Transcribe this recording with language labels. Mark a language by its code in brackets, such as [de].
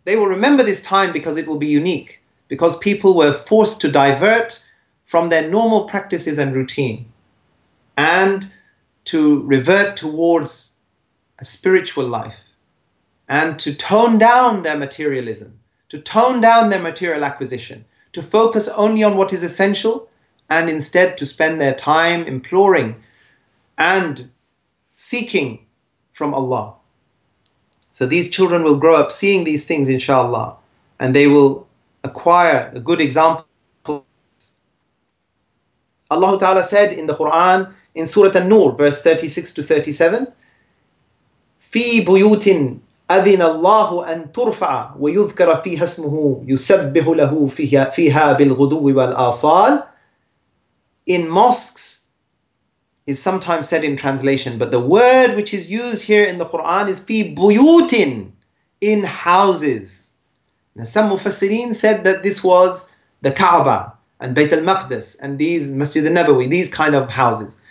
[en] They will remember this time because it will be unique, because people were forced to divert from their normal practices and routine and to revert towards a spiritual life and to tone down their materialism, to tone down their material acquisition, to focus only on what is essential and instead to spend their time imploring and seeking from Allah. So these children will grow up seeing these things, inshallah, and they will acquire a good example. Allah Ta'ala said in the Quran, in Surah An-Nur, verse 36 to 37, [ar] في بيوت أذن الله أن ترفع ويذكر فيها اسمه يسبح له فيها بالغدو والآصال. [en] In mosques is sometimes said in translation, but the word which is used here in the Quran is [ar] في بيوت, [en] in houses. Now some mufassirin said that this was the Kaaba and Bayt al-Maqdis and these Masjid al-Nabawi, these kind of houses.